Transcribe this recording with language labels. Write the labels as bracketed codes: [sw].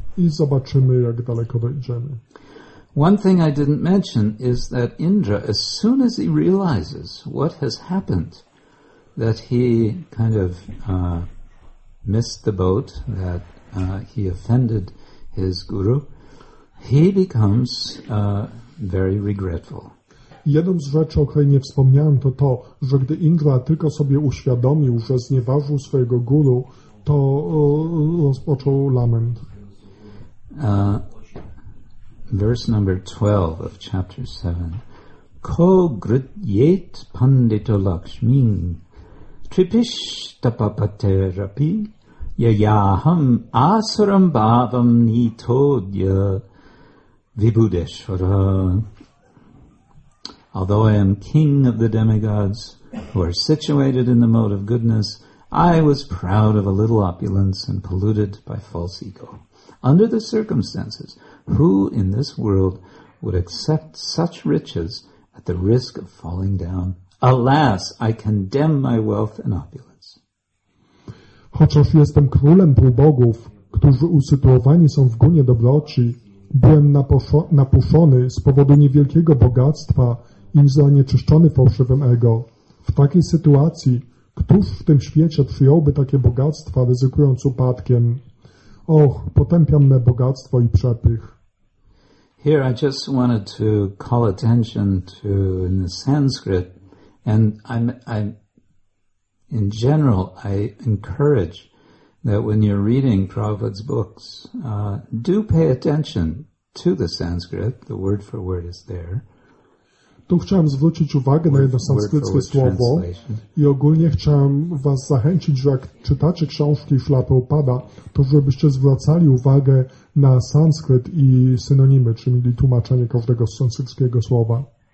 [pl] I zobaczymy, jak daleko dojdziemy. [en] One thing I didn't mention is that Indra, as soon as he realizes what has happened, that he kind of missed the boat, that he offended his guru, he becomes very regretful. [pl] Jedną z rzeczy, o której nie wspomniałem, to to, że gdy Indra tylko sobie uświadomił, że znieważył swojego guru, to rozpoczął lament. [en] Verse number 12 of chapter 7. [sa] Ko grityet pandito lakshmin tripishtapapaterapi yayaham asuram bhavam nitodya vibhudeshvara. [en] Although I am king of the demigods who are situated in the mode of goodness, I was proud of a little opulence and polluted by false ego. Under the circumstances, who in this world would accept such riches at the risk of falling down? Alas, I condemn my wealth and opulence. [pl] Chociaż jestem królem półbogów, którzy usytuowani są w gunie dobroci, byłem napuszony z powodu niewielkiego bogactwa i zanieczyszczony fałszywym ego. W takiej sytuacji, któż w tym świecie przyjąłby takie bogactwa, ryzykując upadkiem? Och, potępiam me bogactwo i przepych. [en] Here I just wanted to call attention to in the Sanskrit, and I'm in general I encourage that when you're reading Prabhupada's books, do pay attention to the Sanskrit. The word for word is there. [pl] Tu chciałem zwrócić uwagę na jedno sanskryckie słowo i ogólnie chciałem was zachęcić, że jak czytacie książki Szlapy Upada, to żebyście zwracali uwagę na sanskryt i synonimy, czyli tłumaczenie każdego sanskryckiego słowa.